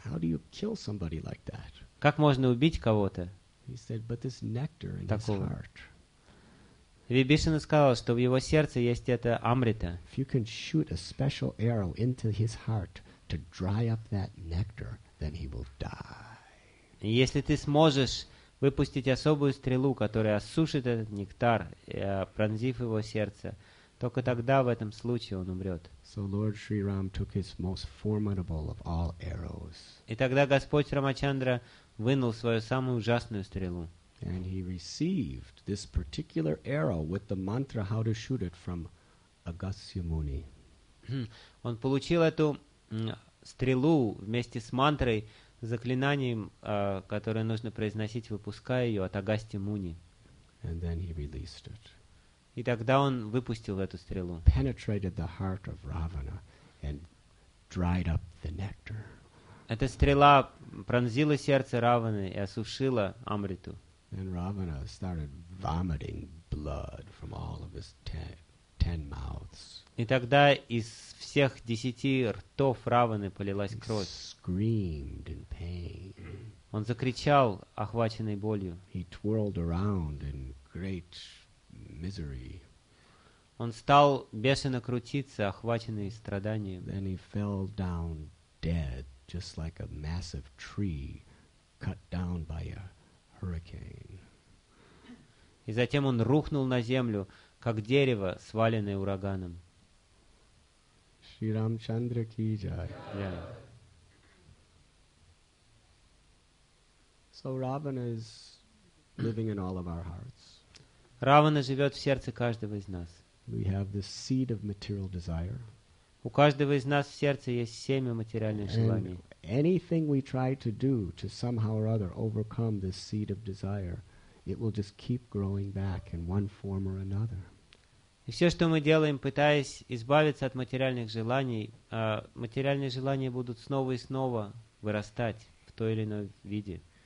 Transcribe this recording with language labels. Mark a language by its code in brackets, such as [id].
[en] How do you kill somebody like that? [ru] Как можно убить кого-то? [en] He said, "But this nectar in his heart." [ru] Вибишина сказал, что в его сердце есть эта амрита. [en] If you can shoot a special arrow into his heart to dry up that nectar, then he will die. [ru] Если ты сможешь выпустить особую стрелу, которая осушит этот нектар, пронзив его сердце, только тогда в этом случае он умрет. [en] So Lord Sri Ram took his most formidable of all arrows. [ru] И тогда Господь Рамачандра вынул свою самую ужасную стрелу. [en] And he received this particular arrow with the mantra how to shoot it from Agastya Muni. [ru] Он получил эту стрелу вместе с мантрой, заклинанием, которое нужно произносить, выпуская ее от Агасти Муни. [en] And then he released it. [ru] И тогда он выпустил эту стрелу. [en] Penetrated the heart of Ravana and dried up the nectar. [ru] Эта стрела пронзила сердце Раваны и осушила амриту. [en] And Ravana started vomiting blood from all of his ten mouths. [ru] И тогда из всех 10 ртов Раваны полилась кровь. [en] He screamed in pain. [ru] Он закричал, охваченный болью. [en] He twirled around in great misery. [ru] Он стал бешено крутиться, охваченный страданием. [en] Then he fell down dead. Just like a massive tree cut down by a hurricane. [ru] И затем он рухнул на землю, как дерево, сваленное ураганом. [hi] Шри Рамчандра ки джай. [en] Yeah. So Ravana is living in all of our hearts. [ru] Равана живет в сердце каждого из нас. [en] We have the seed of material desire. [ru] У каждого из нас в сердце есть семя материальных желаний. [en] Anything we try to do to somehow or other overcome this seed of desire, it will just keep growing back in one form or another. [ru] И все, что мы делаем, пытаясь избавиться от материальных желаний, материальные желания будут снова и снова вырастать в той или иной виде.